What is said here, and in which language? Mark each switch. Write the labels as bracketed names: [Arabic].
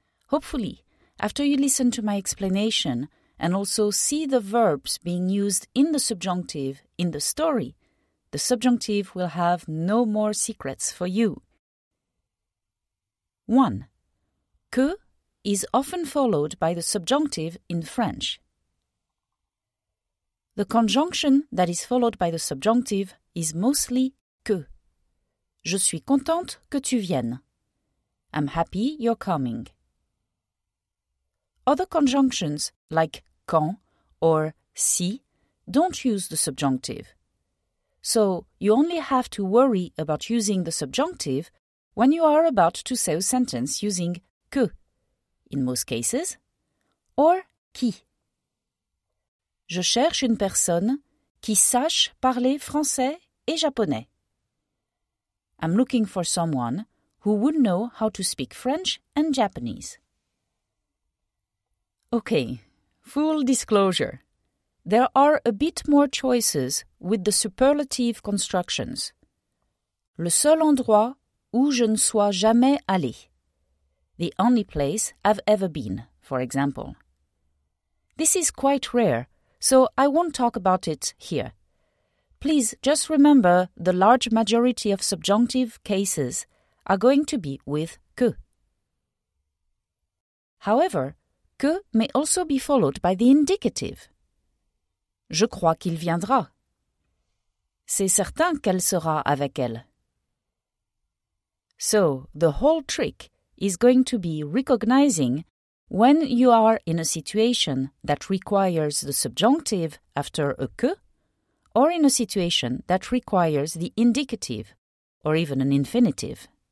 [English] Hopefully, after you listen to my explanation and also see the verbs being used in the subjunctive in the story, the subjunctive will have no more secrets for you. 1. Que is often followed by the subjunctive in French. The conjunction that is followed by the subjunctive is mostly que. [French] Je suis contente que tu viennes. [English] I'm happy you're coming. Other conjunctions like quand or si don't use the subjunctive. So you only have to worry about using the subjunctive when you are about to say a sentence using que, in most cases, or qui. [French] Je cherche une personne qui sache parler français et japonais. [English] I'm looking for someone who would know how to speak French and Japanese. Okay, full disclosure. There are a bit more choices with the superlative constructions. [French] Le seul endroit où je ne sois jamais allé. [English] The only place I've ever been, for example. This is quite rare, so I won't talk about it here. Please just remember the large majority of subjunctive cases are going to be with que. However, que may also be followed by the indicative. [French] Je crois qu'il viendra. C'est certain qu'elle sera avec elle. [English] So, the whole trick is going to be recognizing when you are in a situation that requires the subjunctive after a que, or in a situation that requires the indicative, or even an infinitive.